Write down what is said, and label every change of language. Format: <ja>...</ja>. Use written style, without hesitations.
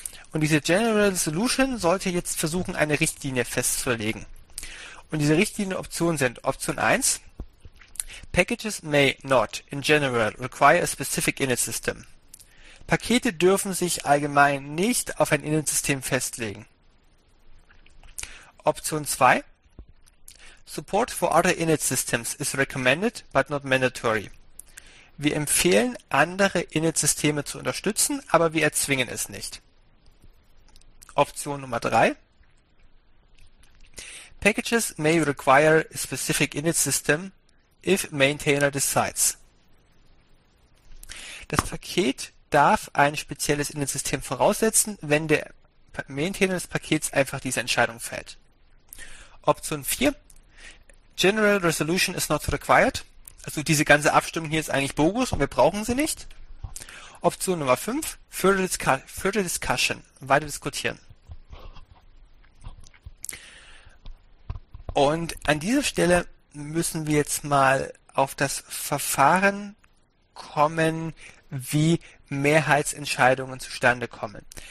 <de>Und diese General Solution sollte jetzt versuchen, eine Richtlinie festzulegen. Und diese Richtlinienoptionen sind</de> <en>Option 1: Packages may not in general require a specific init system.</en> <de>Pakete dürfen sich allgemein nicht auf ein Init-System festlegen.</de> <en>Option 2: Support for other init systems is recommended, but not mandatory.</en> <de>Wir empfehlen, andere init systeme zu unterstützen, aber wir erzwingen es nicht.</de> <en>Option Nummer 3: Packages may require a specific init system if maintainer decides.</en> <de>Das Paket darf ein spezielles init system voraussetzen, wenn der Maintainer des Pakets einfach diese Entscheidung fällt.</de> <en>Option 4: General Resolution is not required.</en> <de>Also diese ganze Abstimmung hier ist eigentlich bogus und wir brauchen sie nicht. Option Nummer 5,</de> <en>further discussion,</en> <de>weiter diskutieren. Und an dieser Stelle müssen wir jetzt mal auf das Verfahren kommen, wie Mehrheitsentscheidungen zustande kommen.</de>